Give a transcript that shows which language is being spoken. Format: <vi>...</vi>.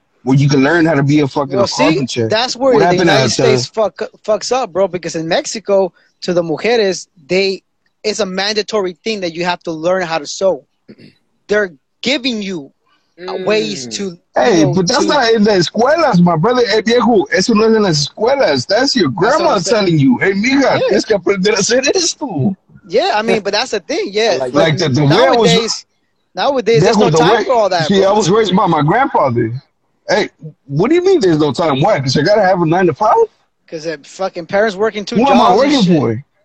<en>Where you can learn how to be a fucking carpenter. That's where what the United States fucks up, bro. Because in Mexico, to the mujeres, it's a mandatory thing that you have to learn how to sew. They're giving you ways to... Hey, but that's not in the escuelas, my brother.</en> <es>Hey, viejo, eso no es en las escuelas.</es> <en>That's your grandma telling you. Hey, mija, yeah.</en> <es>Tienes que aprender a hacer esto.</es> <en>Yeah, I mean, but that's the thing, yeah. Like the nowadays, way was, nowadays viejo, there's no time for all that. See, bro. I was raised by my grandfather. Hey, what do you mean there's no time? Why? Because I got to have a 9-to-5? Because fucking parents working two jobs. Who am I working for?</en>